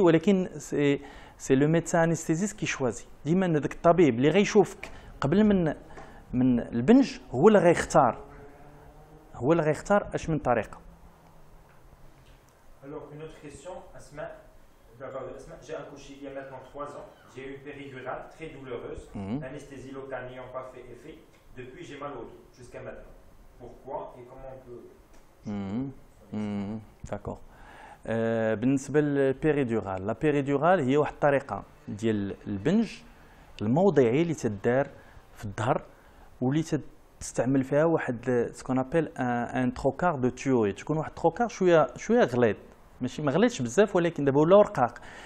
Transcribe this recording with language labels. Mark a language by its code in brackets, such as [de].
[ar] ولكن [fr] سي لو ميدسان انستيزيس كي شوازي [ar] ديما داك الطبيب اللي غيشوفك قبل من البنج هو اللي غيختار اش من طريقه. [fr] Alors, une autre question, Asma, j'ai accouché il y a maintenant 3 ans, j'ai eu une péridurale très douloureuse, l'anesthésie locale n'ayant pas fait effet, depuis j'ai mal au dos jusqu'à maintenant. Pourquoi et comment on peut... D'accord. [ar] بالنسبة للبيريدورال، البيريدورال هي واحد الطريقة ديال البنج الموضعي اللي تدار في الظهر واللي تستعمل فيها واحد [fr] سكون ابيل ان تروكار دو تيوري، [ar] تكون واحد تروكار شوية غليظ، ماشي ما غليظش بزاف ولكن دابا ولا رقاق،